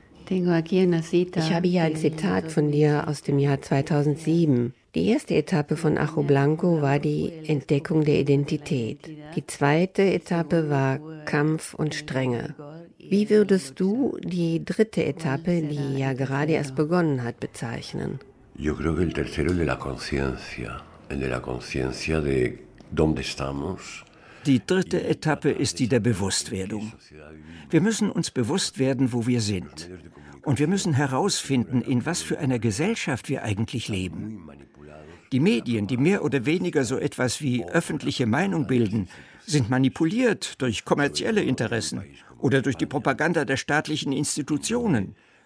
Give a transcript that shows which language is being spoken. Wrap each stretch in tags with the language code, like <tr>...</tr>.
<de>Ich habe hier ein Zitat von dir aus dem Jahr 2007. Die erste Etappe von Ajo Blanco war die Entdeckung der Identität. Die zweite Etappe war Kampf und Strenge. Wie würdest du die dritte Etappe, die ja gerade erst begonnen hat, bezeichnen?</de> <es>Yo creo que el tercero, el de la conciencia. El de la conciencia de dónde estamos.</es> <de>Die dritte Etappe ist die der Bewusstwerdung. Wir müssen uns bewusst werden, wo wir sind. Und wir müssen herausfinden, in was für einer Gesellschaft wir eigentlich leben. Die Medien, die mehr oder weniger so etwas wie öffentliche Meinung bilden, sind manipuliert durch kommerzielle Interessen oder durch die Propaganda der staatlichen Institutionen.</de>